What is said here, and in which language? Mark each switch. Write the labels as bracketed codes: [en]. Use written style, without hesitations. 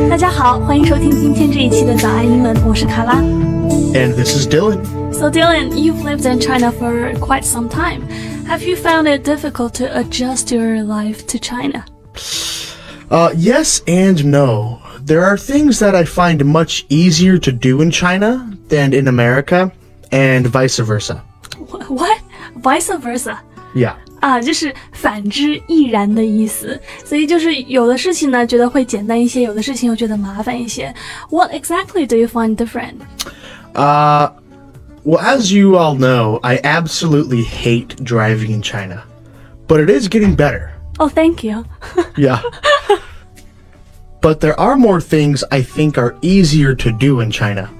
[zh] 大家好，欢迎收听今天这一期的早安英文，我是卡拉。 [en] And this is Dylan. So Dylan, you've lived in China for quite some time. Have you found it difficult to adjust your life to China? Yes and no. There are things that I find much easier to do in China than in America, and vice versa. What? Vice versa? Yeah. [zh] 就是反之亦然的意思。所以就是有的事情呢觉得会简单一些，有的事情又觉得麻烦一些。 [en] What exactly do you find different? Well, as you all know, I absolutely hate driving in China. But it is getting better. Oh, thank you. Yeah. But there are more things I think are easier to do in China.